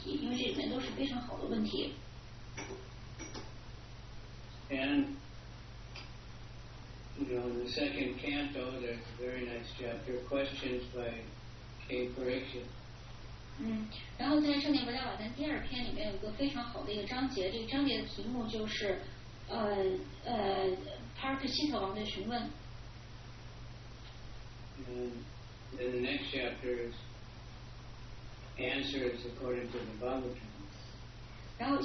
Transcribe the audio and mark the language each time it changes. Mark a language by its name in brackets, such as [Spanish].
[Chinese] 对，如果我们要是能够学习博伽梵坛里面的这些问题的话，那我们其实就能够学习到如何去询问问题，因为这里面都是非常好的问题。 [English] And you know, the second canto, there's a very nice chapter, questions by K. Parikshit. [Chinese] 然后在圣典博伽梵坛第二篇里面有个非常好的一个章节，这个章节的题目就是，帕尔克希特王的询问。 [English] And then the next chapter is answers according to the Bhagavatam.